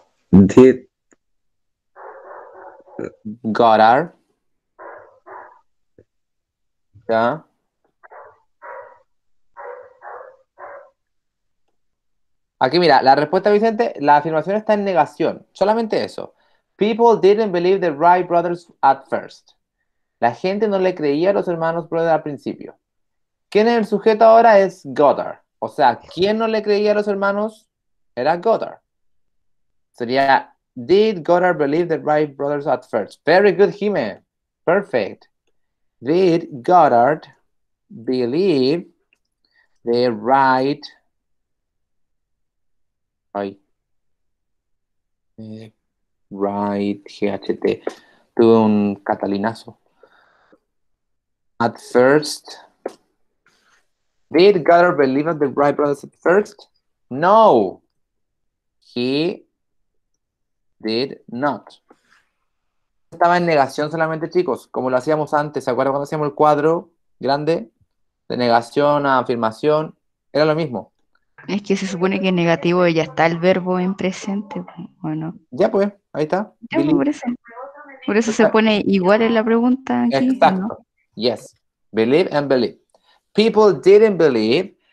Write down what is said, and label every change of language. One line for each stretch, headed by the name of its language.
English: Did
Spanish: Goddard. Ya. Aquí mira, la respuesta, Vicente, la afirmación está en negación. Solamente eso.
English: People didn't believe the Wright brothers at first.
Spanish: La gente no le creía a los hermanos
English: brothers
Spanish: al principio. ¿Quién es el sujeto ahora? Es Goddard. O sea, ¿quién no le creía a los hermanos? Era Goddard. Sería,
English: did Goddard believe the Wright brothers at first? Very good, Jime. Perfect. Did Goddard believe the Wright... Ay. Right, GHT.
Spanish: Tuve un catalinazo.
English: At first. Did Goddard believe in the Wright brothers at first? No. He did not.
Spanish: Estaba en negación solamente, chicos. Como lo hacíamos antes. ¿Se acuerdan cuando hacíamos el cuadro grande? De negación a afirmación. Era lo mismo. Es que se supone que en negativo ya está el verbo en presente, ¿o no? Ya pues, ahí está. Ya, por eso se pone igual en la pregunta aquí. Exacto, ¿no?
English: Yes, believe and believe. People didn't believe